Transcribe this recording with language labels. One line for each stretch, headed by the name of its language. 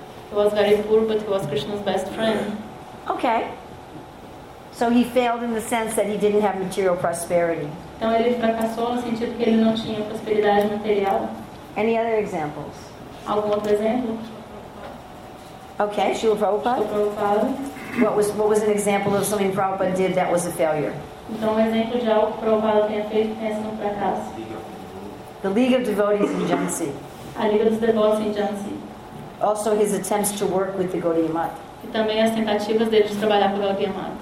English: He was very poor, but he was Krishna's best friend. Okay. So he failed in the sense that he didn't have material prosperity.
Portuguese: Então ele fracassou no sentido que ele não tinha prosperidade material.
English: Any other examples?
Portuguese: Algum outro exemplo?
English: Okay, Srila Prabhupada. What was an example of something Prabhupada did that was a failure?
Portuguese: Então, um exemplo de algo que Prabhupada tenha feito que tenha sido um fracasso.
English: The League of Devotees in Jhansi.
Portuguese: A Liga dos Devotos em Jhansi.
English: Also his attempts to work with the Gaudiya Math.
Portuguese: E também as tentativas dele de trabalhar com o Gaudiya Math.